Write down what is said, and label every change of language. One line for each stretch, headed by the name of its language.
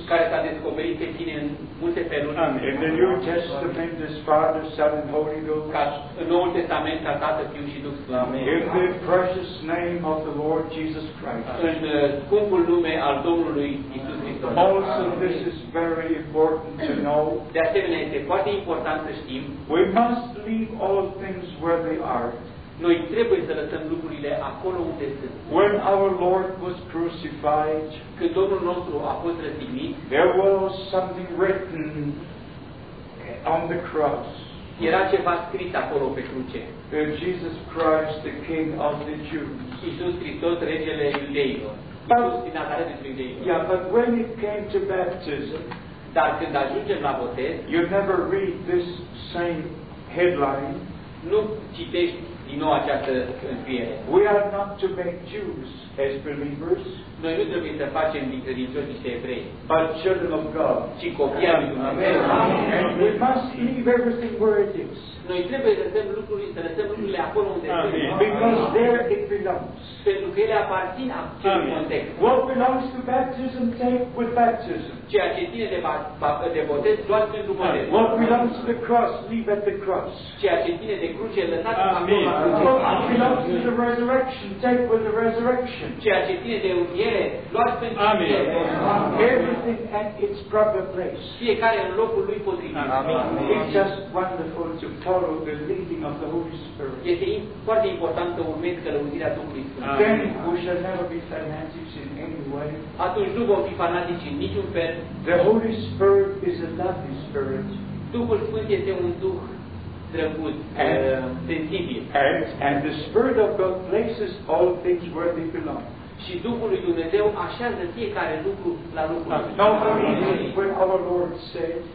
Romanian: care s-a descoperit pe tine în multe feluri.
English: In the New Testament, as Father, Son, and Holy Ghost.
Romanian: În Noul Testament, ca Tată, Fiul și Duh Sfânt.
English: In the precious name of the Lord Jesus Christ.
Romanian: În scumpul nume al Domnului Iisus Hristos.
English: Also, this is very important to know.
Romanian: De asemenea, este foarte important să știm.
English: We must leave all things where they are.
Romanian: Noi trebuie să lăsăm lucrurile acolo unde sunt.
English: When our Lord was crucified,
Romanian: când Domnul nostru a fost răstignit,
English: there was something written on the cross.
Romanian: Era ceva scris acolo pe cruce.
English: Jesus Christ, the King of the Jews.
Romanian: Iisus Hristos, regele iudeilor. Iisus din Nazaret, regele iudeilor.
English: Yeah, but when it came to baptism,
Romanian: dar când ajungem la botez,
English: you never read this same headline.
Romanian: Nu citești din nou această înfiere.
English: We are not to make Jews as believers.
Romanian: Noi nu trebuie să facem din credincioși niște evrei.
English: But children of God.
Romanian: Ci copii al lui Dumnezeu.
English: We must leave everything where it is.
Romanian: Noi trebuie să lăsăm lucrurile, să lăsăm lucrurile acolo unde trebuie.
English: Because there it belongs.
Romanian: Pentru că ele aparțin acelui context.
English: What belongs to baptism, take with baptism.
Romanian: Ceea ce ține de botez, doar pentru botez.
English: What belongs to the cross, leave at the cross.
Romanian: Ceea ce ține de cruce, lăsați acolo la cruce.
English: What belongs to the resurrection, take with the resurrection.
Romanian: Ceea ce ține de înviere, luați pentru înviere.
English: Everything at its proper place.
Romanian: Fiecare în locul lui potrivit.
English: It's just wonderful to follow the leading of the Holy Spirit.
Romanian: Este foarte important să urmezi călăuzirea Duhului Sfânt.
English: Then we shall never be fanatics in any way.
Romanian: Atunci nu vom fi fanatici în niciun fel.
English: The Holy Spirit is a loving spirit.
Romanian: Duhul Sfânt este un Duh drăguț, sensibil.
English: And the Spirit of God places all things where they belong.
Romanian: Și Duhul lui Dumnezeu așează fiecare lucru la locul lui.
English: Now, for instance, when our Lord said,